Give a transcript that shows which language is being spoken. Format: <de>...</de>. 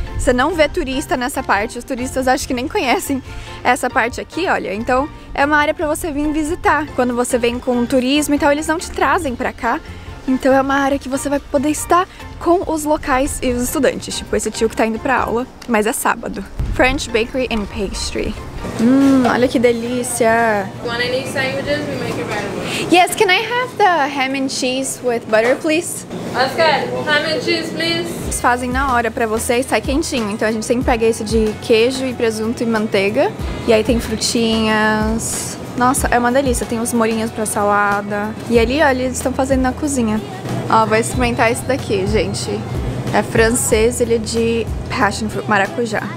<pt>Você não vê turista nessa parte, os turistas acho que nem conhecem essa parte aqui, olha. Então é uma área pra você vir visitar. Quando você vem com um turismo e tal, eles não te trazem pra cá. Então é uma área que você vai poder estar com os locais e os estudantes. Tipo esse tio que tá indo pra aula, mas é sábado.</pt> <en>French Bakery and Pastry.</en> <pt>Olha que delícia.</pt> <en>Want any sandwiches? We make it right away. Yes, can I have the ham and cheese with butter, please? That's good. Ham and cheese, please.</en> <pt>Eles fazem na hora pra você e sai quentinho. Então a gente sempre pega esse de queijo e presunto e manteiga. E aí tem frutinhas. Nossa, é uma delícia. Tem uns molhinhos pra salada. E ali, ó, eles estão fazendo na cozinha. Ó, vai experimentar esse daqui, gente. É francês, ele é de passion fruit, maracujá.</pt>